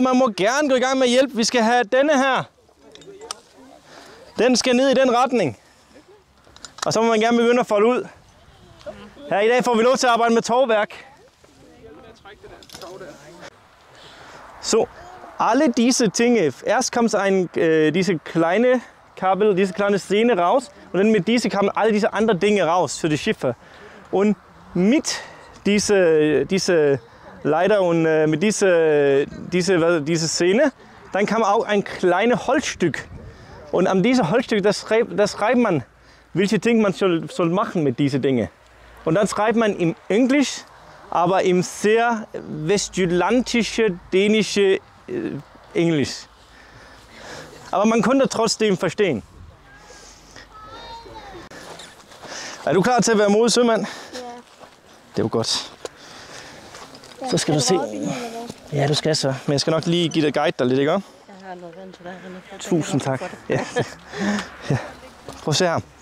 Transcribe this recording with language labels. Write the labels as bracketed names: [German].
[Danish] Man må gerne gå i gang med hjælp. Vi skal have denne her. Den skal ned i den retning. Og så må man gerne begynde at folde ud. Her i dag får vi lov til at arbejde med tovværk. Så, [German] alle diese Dinge. Erst kommt diese kleine Kabel, diese kleine Sehne raus und dann mit dieser kamen all diese anderen Dinge raus für die Schiffe. Und mit diese Leiter und mit diese Sehne, dann kam auch ein kleines Holzstück. Und an diesem Holzstück, das schreibt man, welche Dinge man soll machen mit diesen Dingen. Und dann schreibt man im Englisch, aber im sehr westjütlandische, dänische Englisch. Aber man konnte trotzdem verstehen. [Danish] Er du klar til at være mod sømand? Ja. Det er jo godt. Så skal du se. Ja, du skal så. Men jeg skal nok lige give dig guide der lidt, ikke? Jeg har noget vand til dig. Tusind tak. Ja. Ja. Prøv at se her.